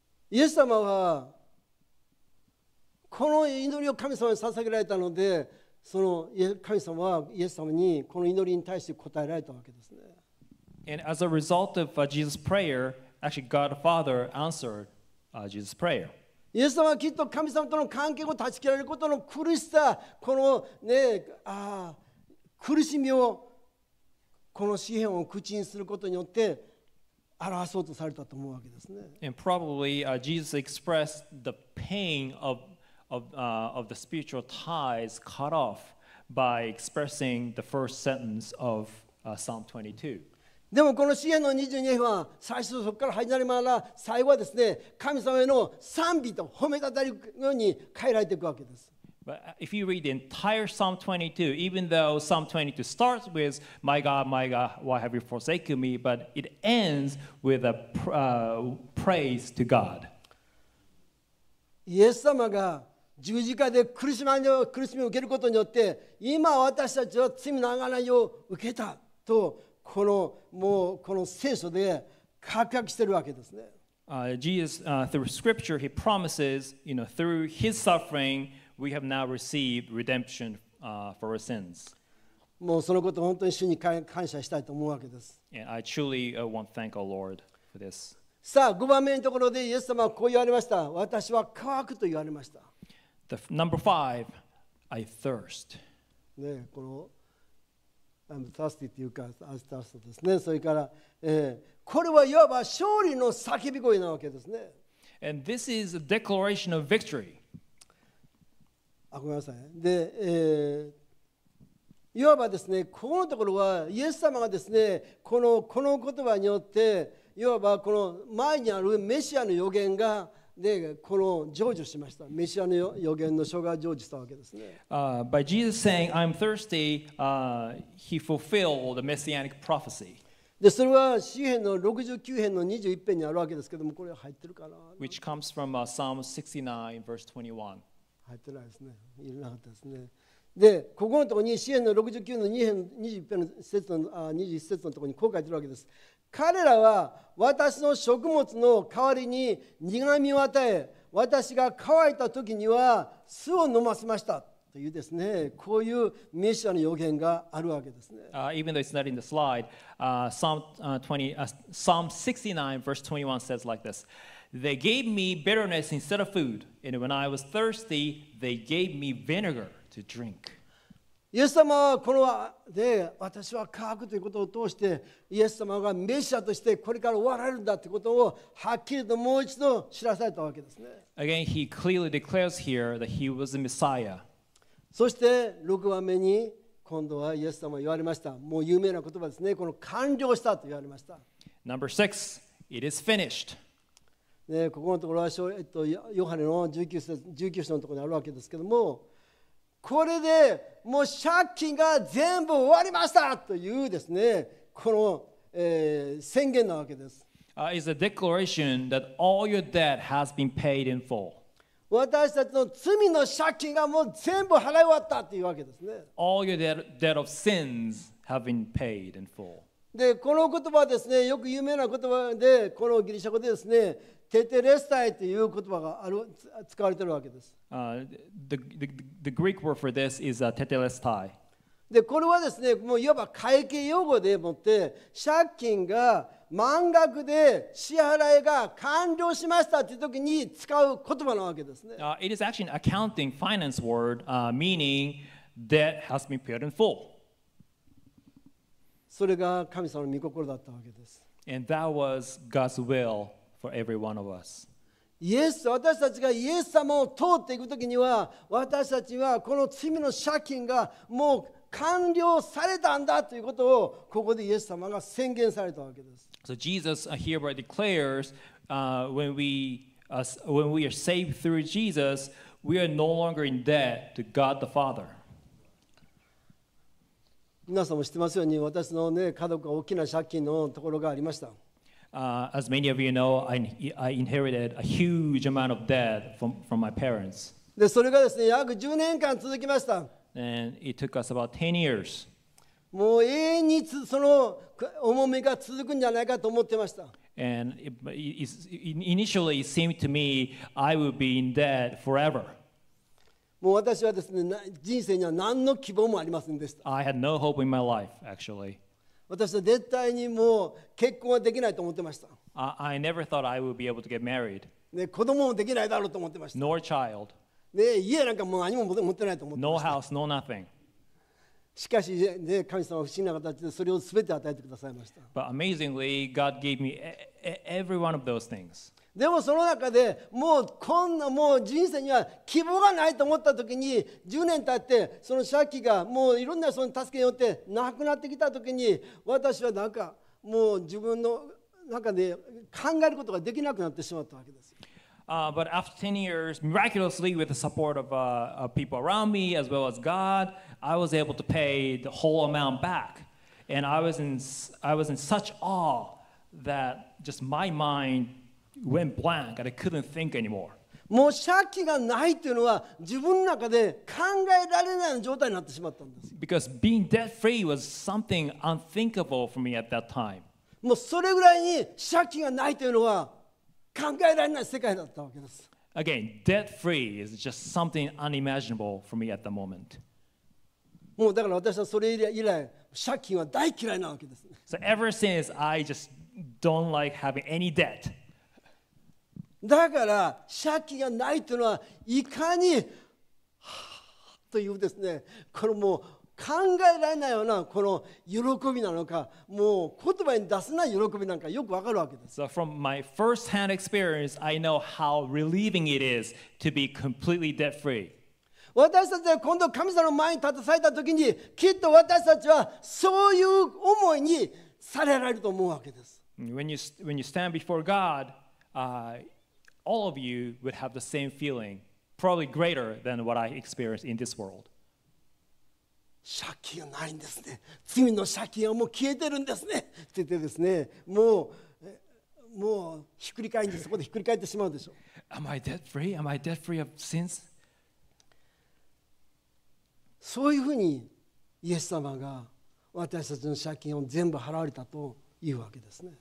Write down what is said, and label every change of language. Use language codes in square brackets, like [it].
[ja] イエス様はこの祈りを神様に捧げられたので、その神様はイエス様にこの祈りに対して答えられたわけですね。 [en] And as a result of Jesus' prayer, actually God the Father answered Jesus' prayer. [ja] イエス様はきっと神様との関係を断ち切られることの苦しさ、この、ね、苦しみをこの詩篇を口にすることによって表そうとされたと思うわけですね。 [en] And probably Jesus expressed the pain of the spiritual ties cut off by expressing the first sentence of Psalm 22. [ja] でもこの詩篇の22編は最初そこから始まりながら最後はですね神様への賛美と褒めたたりのように変えられていくわけです。 [en] But if you read the entire Psalm 22, even though Psalm 22 starts with My God, My God, why have you forsaken me? But it ends with a praise to God. [ja] イエス様が十字架で苦しみを受けることによって今私たちは罪の贖いを受けたとこのもうこの聖書で確約してるわけですね。 [en] Jesus, through Scripture, he promises, you know, through his suffering, we have now received redemption, for our sins. [ja] もうそのこと本当に主に感謝したいと思うわけです。 [en] And I truly, want to thank our Lord for this. [ja] さあ、5番目のところでイエス様はこう言われました。私は渇くと言われました。 [en] The number five, I thirst. [ja] ね、この [en] I'm thirsty [ja] というか、 [en] I'm thirsty [ja] ですね。それから、これはいわば勝利の叫び声なわけですね。 [en] And this is a declaration of victory. [ja] あ、ごめんなさい。で、いわばですね、このところはイエス様がですね、この言葉によって、いわばこの前にあるメシアの予言が、でこの成就しました。メシアの予言の書が成就したわけですね。 [en] By Jesus saying, I'm thirsty, he fulfilled the messianic prophecy. [ja] でそれは詩篇の69編の21編にあるわけですけども、これ入ってるかな [en] ？Which comes from Psalm 69, verse 21. [ja] 入ってないですね。いらなかったですね。でここのところに詩篇の69の2編21編の節の21節のところにこう書いてるわけです。彼らは私の食物の代わりに苦みを与え、私が乾いた時には酢を飲ませましたというですね、こういうメシアの予言があるわけですね。 [en] Even though it's not in the slide, Psalm 69, verse 21 says like this: They gave me bitterness instead of food, and when I was thirsty, they gave me vinegar to drink. [ja] イエス様はこので私は渇くということを通してイエス様がメシアとしてこれから終わられるんだということをはっきりともう一度知らされたわけですね。 [en] Again, he clearly declares here that he was the Messiah. [ja] そして6番目に今度はイエス様は言われました。もう有名な言葉ですね。この完了したと言われました。 [en] Number six, it is finished. [ja] ね、ここのところは、ヨハネの19章のところにあるわけですけども、これでもう借金が全部終わりましたというですね、この、宣言なわけです。 [en] It's a declaration that all your debt has been paid in full. [ja] 私たちの罪の借金がもう全部払い終わったというわけですね。 [en] All your debt of sins have been paid in full. [ja] で、この言葉はですね、よく有名な言葉で、このギリシャ語でですね、テテレスタイという言葉がある使われているわけです。 [en] The Greek word for this is テテレスタイ。 [ja] で、これはですね、もういわば会計用語でもって、借金が満額で支払いが完了しましたという時に使う言葉なわけですね。 [en] It is actually an accounting finance word, meaning debt has been paid in full. [ja] それが神様の御心だったわけです。 [en] And that was God's will for every one of us. [ja] イエス、私たちがイエス様を通っていく時には、私たちはこの罪の借金がもう完了されたんだということをここでイエス様が宣言されたわけです。 [en] So Jesus hereby declares, when we are saved through Jesus, we are no longer in debt to God the Father. [ja] 皆さんも知ってますように、私のね、家族が大きな借金のところがありました。 [en] As many of you know, I inherited a huge amount of debt from my parents. [ja] で、それがですね、約10年間続きました。 [en] And it took us about 10 years. [ja] もう永遠にその重みが続くんじゃないかと思ってました。 [en] And initially it seemed to me I would be in debt forever. [ja] もう私はですね、人生には何の希望もありませんでした。 [en] I had no hope in my life, actually. [ja] 私は絶対にもう結婚はできないと思ってました。 [en] I never thought I would be able to get married. [ja] ね、子供もできないだろうと思ってました。 [en] Nor child. [ja] ね、家なんかもう何も持ってないと思ってました。 [en] No house, no nothing. [ja] しかし、ね、神様は不思議な形でそれを全て与えてくださいました。 [en] But amazingly, God gave me every one of those things. [ja] でもその中でもうこんなもう人生には希望がないと思った時に10年経ってその借金がもういろんなその助けによってなくなってきた時に私はなんかもう自分の中で考えることができなくなってしまったわけです。 [en] But after 10 years, miraculously with the support of people around me as well as God, I was able to pay the whole amount back. And I was in such awe that just my mind went blank and I couldn't think anymore. [ja] もう借金がないっていうのは自分の中で考えられない状態になってしまったんです。 [en] Because being debt free was something unthinkable for me at that time. [ja] もうそれぐらいに借金がないというのは考えられない世界だったわけです。 [en] Again, debt free is just something unimaginable for me at the moment. [ja] もうだから私はそれ以来借金は大嫌いなわけです。 [en] So ever since I just don't like having any debt. [ja] だから借金がないというのはいかにというですね、これもう考えられないようなこの喜びなのか、もう言葉に出せない喜びなんかよくわかるわけです。 [en] So from my first-hand experience, I know how relieving it is to be completely debt-free. [ja] 私たちが今度神様の前に立たされた時に、きっと私たちはそういう思いにされられると思うわけです。 [en] When you stand before God, all of you would have the same feeling, probably greater than what I experienced in this world. [ja] 借金がないんですね。罪の借金はもう消えてるんですね。って言ってですね、もうひっくり返ってそこでひっくり返ってしまうでしょう。 [en] Am I debt free? Am I debt free of sins? [ja] そういうふうにイエス様が私たちの借金を全部払われたというわけですね。